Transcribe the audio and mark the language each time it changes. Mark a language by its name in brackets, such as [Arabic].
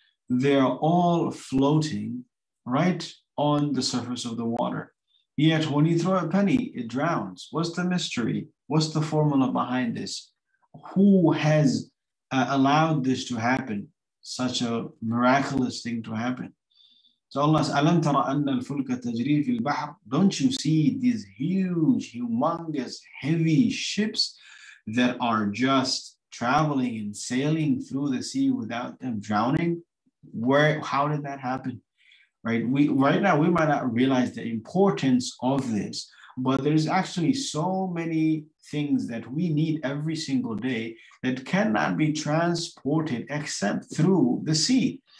[English] They're all floating right on the surface of the water. Yet when you throw a penny, it drowns. What's the mystery? What's the formula behind this? Who has allowed this to happen? Such a miraculous thing to happen. So Allah says, [Arabic] أَلَمْ تَرَ أَنَّ الْفُلْكَ تَجْرِي فِي الْبَحْرِ. [English] Don't you see these huge, humongous, heavy ships that are just traveling and sailing through the sea without them drowning? Where, how did that happen? Right, right now we might not realize the importance of this, but there's actually so many things that we need every single day that cannot be transported except through the sea.